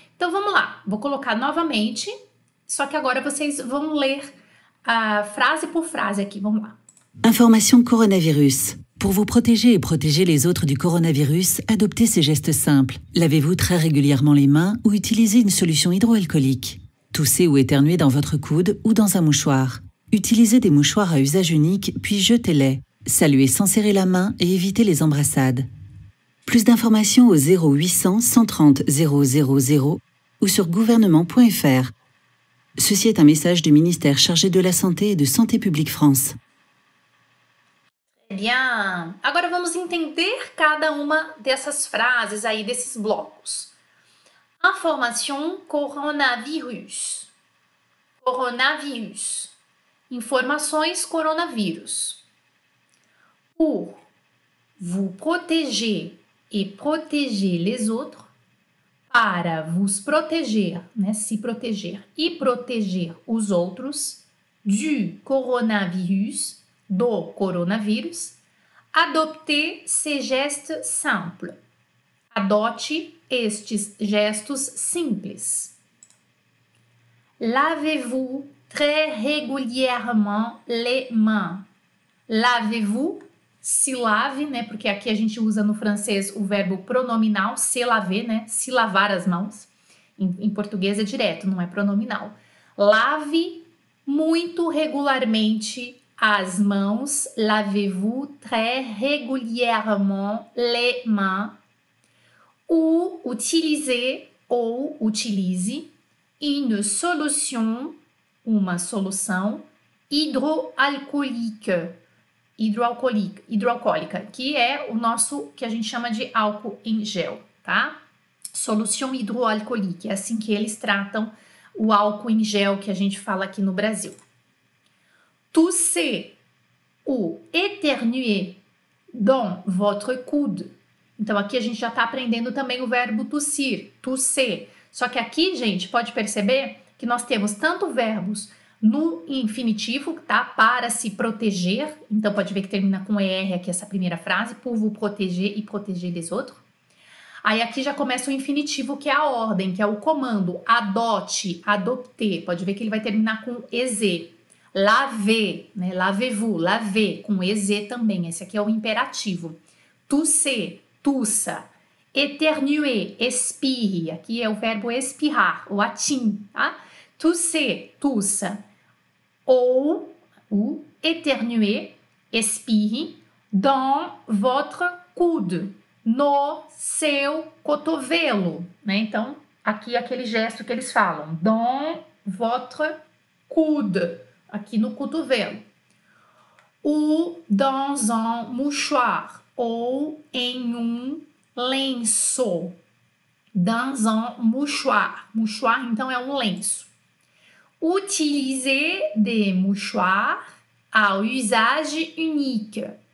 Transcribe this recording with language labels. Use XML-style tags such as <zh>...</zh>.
<pt>Então vamos lá, vou colocar novamente, só que agora vocês vão ler a frase por frase aqui. Vamos lá. Informação coronavírus.</pt> <fr>Pour vous protéger et protéger les autres du coronavirus, adoptez ces gestes simples. Lavez-vous très régulièrement les mains ou utilisez une solution hydroalcoolique. Toussez ou éternuez dans votre coude ou dans un mouchoir. Utilisez des mouchoirs à usage unique, puis jetez-les. Saluez sans serrer la main et évitez les embrassades. Plus d'informations au 0800 130 000 ou sur gouvernement.fr. Ceci est un message du ministère chargé de la Santé et de Santé publique France.</fr> <pt>Agora vamos entender cada uma dessas frases aí, desses blocos.</pt> <fr>Information coronavirus. Coronavirus.</fr> <pt>Informações coronavírus.</pt> <fr>Pour vous protéger et protéger les autres.</fr> <pt>Para vous proteger, né, se proteger e proteger os outros.</pt> <fr>Du coronavirus.</fr> <pt>Do coronavírus.</pt> <fr>Adoptez ces gestes simples.</fr> <pt>Adote estes gestos simples.</pt> <fr>Lavez-vous très régulièrement les mains. Lavez-vous</fr> <pt>se lave, né? Porque aqui a gente usa no francês o verbo pronominal,</pt> <fr>se laver,</fr> <pt>né? Se lavar as mãos. Em português é direto, não é pronominal. Lave muito regularmente as mãos.</pt> <fr>Lavez-vous très régulièrement les mains. Ou utilisez ou utilize une solution,</fr> <pt>uma solução hidroalcoólica. Hidroalcoólica, que é o nosso, que a gente chama de álcool em gel, tá? Solution hidroalcoólica, é assim que eles tratam o álcool em gel que a gente fala aqui no Brasil.</pt> <fr>Tousser ou éternuer dans votre coude.</fr> <pt>Então, aqui a gente já está aprendendo também o verbo tossir, tousser. Só que aqui, gente, pode perceber que nós temos tanto verbos no infinitivo, tá? Para se proteger. Então, pode ver que termina com ER aqui essa primeira frase.</pt> <fr>Pour vous proteger e proteger des autres.</fr> <pt>Aí, aqui já começa o infinitivo, que é a ordem, que é o comando. Adote, adopter. Pode ver que ele vai terminar com EZ. Lavez, né? Lavez-vous, lavez. Com EZ também. Esse aqui é o imperativo. Tousser, tussa. Éternuer, espirre. Aqui é o verbo espirrar, o atim, tá? Tousser, tussa. Ou o éternuer, espirre,</pt> <fr>dans votre coude,</fr> <pt>no seu cotovelo, né? Então, aqui é aquele gesto que eles falam,</pt> <fr>dans votre coude,</fr> <pt>aqui no cotovelo.</pt> <fr>Ou dans un mouchoir,</fr> <pt>ou em um lenço.</pt> <fr>Dans un mouchoir.</fr> <pt>Mouchoir, então, é um lenço.</pt> <fr>Utiliser des mouchoirs à usage unique.</fr>